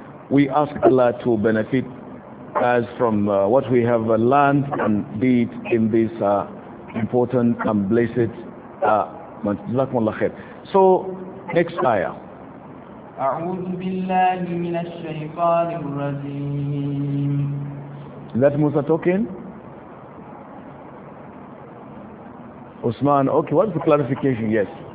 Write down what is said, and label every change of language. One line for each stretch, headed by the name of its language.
English: We ask Allah to benefit us from what we have learned and did in this important and blessed month. Jazakumullah khair. So, next ayah.
Arabic: أعوذ بالله من الشيطان الرجيم.
English: That Musa talking? Usman, okay, what's the clarification? Yes.